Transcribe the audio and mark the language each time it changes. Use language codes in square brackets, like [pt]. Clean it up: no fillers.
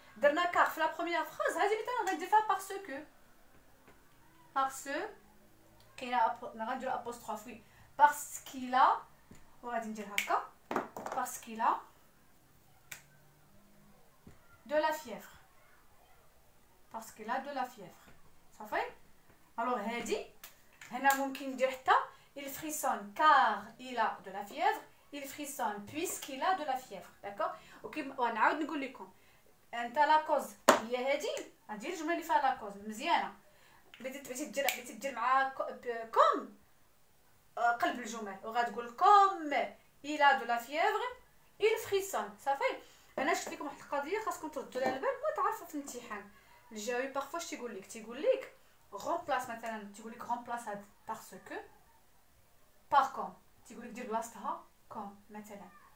[ar] درنا كار في لا بروميير فراز، هذه مثلا غندير فيها باسكو، باسكو كاين غندير ابوستروف، وي باسكيلا، وغادي ندير هكا باسكيلا دو لا فيفر، باسكيلا دو لا فيفر. صافي، الوغ هادي هنا ممكن ندير حتى [fr] il frissonne car il a de la fièvre، il frissonne puisqu'il a de la fièvre، [ar] داكور. ونعاود نقول لكم انت لا كوز هي هادي، هادي الجمله اللي فيها لا كوز مزيانه، بغيتي دير معاها كوم قلب الجمل، وغتقول كوم [fr] il a de la fièvre il frissonne. [ar] صافي، انا شفت لكم واحد القضيه خاصكم تردوا لها البال، وتعرفوا في الامتحان الجاوي بارفوا اش تيقول لك؟ تيقول لك remplace، مثلا تيقول لك remplace هاد [fr] parce que par comme، [ar] تيقول لك دير بلاصتها كوم مثلا.